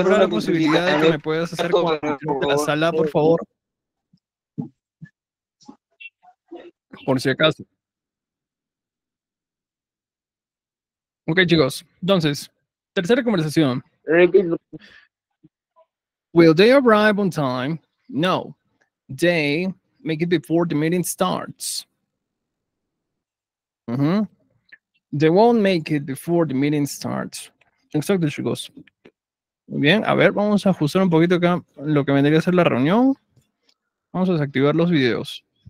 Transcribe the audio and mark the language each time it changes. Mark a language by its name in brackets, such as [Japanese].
[Spanish] ¿habrá la posibilidad de que me puedas hacer con la sala, por favor? Por si acaso. Ok, chicos. Entonces, tercera conversación. [English] Will they arrive on time? No. They make it before the meeting starts. They won't make it before the meeting starts. [Spanish] Exacto, chicos. Muy bien. A ver, vamos a ajustar un poquito acá lo que vendría a ser la reunión. Vamos a desactivar los videos.